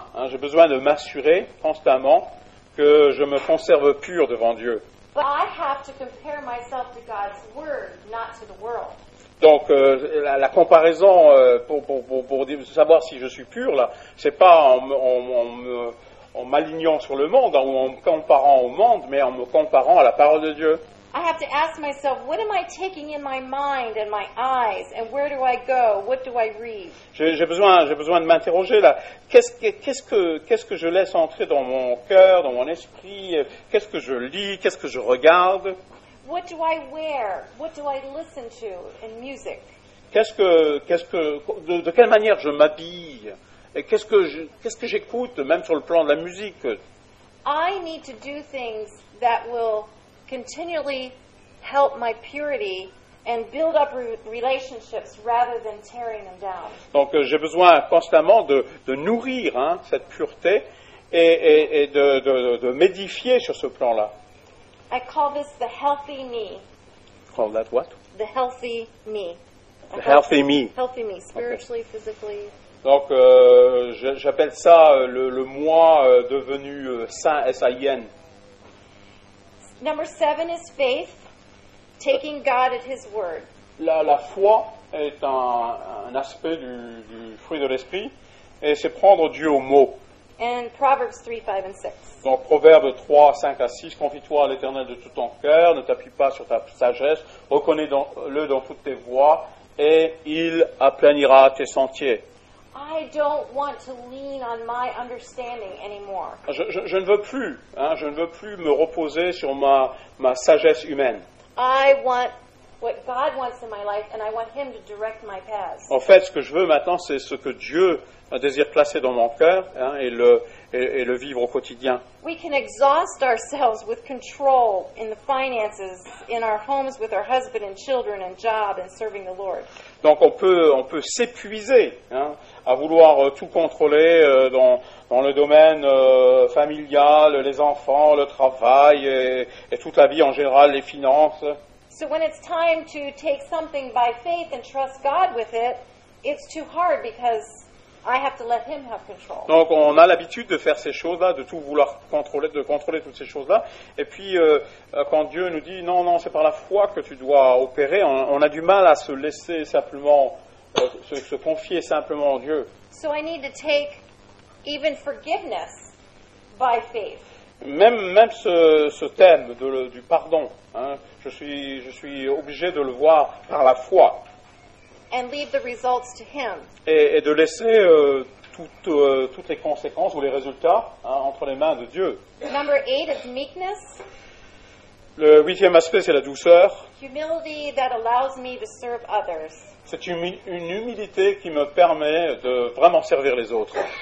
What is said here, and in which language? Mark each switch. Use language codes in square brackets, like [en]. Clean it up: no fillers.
[fr] J'ai besoin de m'assurer constamment que je me conserve pur devant Dieu. [en] But I have to compare myself to God's word, not to the world. [fr] Donc la comparaison pour savoir si je suis pur là, c'est pas en m'alignant sur le monde hein, ou en me comparant au monde, mais en me comparant à la parole de Dieu. [en] I have to ask myself, what am I taking in my mind and my eyes, and where do I go? What do I read? [fr] J'ai besoin de m'interroger là. Qu'est-ce que je laisse entrer dans mon cœur, dans mon esprit? Qu'est-ce que je lis? Qu'est-ce que je regarde? [en] What do I wear? What do I listen to in music? [fr] De quelle manière je m'habille? Et qu'est-ce que j'écoute, même sur le plan de la musique? [en] I need to do things that will continually help my purity and build up relationships rather than tearing them down. [fr] Donc j'ai besoin constamment de nourrir hein, cette pureté et de m'édifier sur ce plan-là. [en] I call this the healthy me. Call that what? The healthy me. The healthy me. Healthy me, spiritually, okay. Physically. [fr] Donc, j'appelle ça le moi devenu saint, S-I-N. [en] Number seven is faith, taking God at His word. [fr] La foi est un aspect du fruit de l'esprit, et c'est prendre Dieu au mot. [en] And Proverbs 3, 5 and 6. [fr] Donc, Proverbes 3, 5 à 6. Confie-toi à l'Éternel de tout ton cœur, ne t'appuie pas sur ta sagesse, reconnais-le dans toutes tes voies, et il aplanira tes sentiers. [en] I don't want to lean on my understanding anymore. [fr] Je ne veux plus, hein, je ne veux plus me reposer sur ma sagesse humaine. [en] I want what God wants in my life, and I want Him to direct my paths. [fr] En fait, ce que je veux maintenant, c'est ce que Dieu désire placer dans mon cœur, hein, et le vivre au quotidien. [en] We can exhaust ourselves with control in the finances, in our homes, with our husband and children and job and serving the Lord. [fr] Donc on peut s'épuiser, hein, à vouloir tout contrôler dans le domaine familial, les enfants, le travail et toute la vie en général, les finances. [en] So when it's time to take something by faith and trust God with it, it's too hard because I have to let Him have control. [fr] Donc on a l'habitude de faire ces choses-là, de tout vouloir contrôler, de contrôler toutes ces choses-là. Et puis quand Dieu nous dit non, c'est par la foi que tu dois opérer, on a du mal à se laisser simplement se confier simplement en Dieu. [en] So I need to take even forgiveness by faith. [fr] Même ce thème du pardon, hein, je suis obligé de le voir par la foi. [en] And leave the results to him. [fr] Et de laisser toutes les conséquences ou les résultats, hein, entre les mains de Dieu. [en] Number eight is meekness. [fr] Le huitième aspect, c'est la douceur. [en] Humility that allows me to serve others. [fr] C'est une humilité qui me permet de vraiment servir les autres.